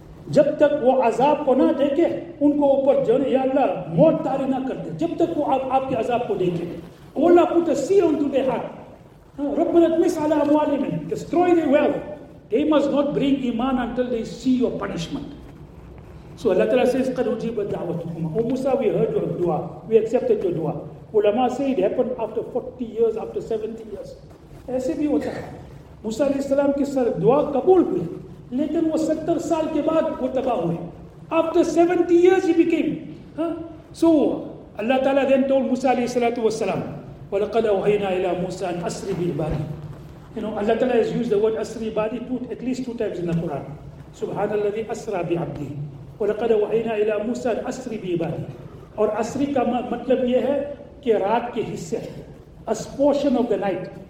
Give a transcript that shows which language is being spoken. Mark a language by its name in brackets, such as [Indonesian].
[Urdu] جب تک وہ عذاب کو نہ دیکھے ان کو اوپر جانے, یا اللہ موت تاری نہ کر دے جب تک وہ آپ کے عذاب کو دیکھے. [English] Oh Allah, put a seal onto their heart. [Arabic] رَبَّنَا اطْمِسْ عَلَىٰ أَمْوَالِهِمْ, [English] destroy their wealth. They must not bring iman until they see your punishment. So Allah Ta'ala says, [Arabic] قَدْ أُجِيبَتْ دَعْوَتُكُمَا. [English] Oh Musa, we heard your dua, we accepted your dua. Ulama say it happened after 40 years, after 70 years. [Urdu] ایسے بھی ہوتا ہے. موسیٰ علیہ السلام کی سر دعا قبول ہوئی, لیکن وہ 70 سال کے بعد وہ تباہ ہوئے. [English] After 70 years he became. [Urdu] So [English] Allah Ta'ala then told Musa alayhi salatu wasalam, [Arabic] وَلَقَدْ أَوْحَيْنَا إِلَىٰ مُوسَىٰ أَنْ أَسْرِ بِعِبَادِي. [English] You know, Allah Ta'ala has used the word [Arabic] أَسْرِ بِعِبَادِي [English] at least two times in the Quran. [Arabic] سُبْحَانَ الَّذِي أَسْرَ بِعَبْدِي وَلَقَدْ أَوْحَيْنَا إِلَىٰ مُوسَىٰ أَنْ أَسْرِ بِعِبَادِي. [Urdu] اور أسری کا مطلب یہ ہے کہ رات کے حصے, [English] a portion of the night.